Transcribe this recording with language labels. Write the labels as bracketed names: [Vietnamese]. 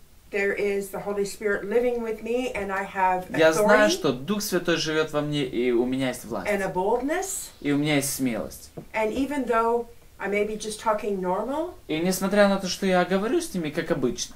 [English] there is the Holy Spirit living with me and I have authority, [Russian] я знаю, что Дух Святой живет во мне и у меня есть власть, [English] and a boldness, [Russian] и у меня есть смелость, [English] and even though I may be just talking normal. [Russian] И несмотря на то, что я говорю с ними как обычно,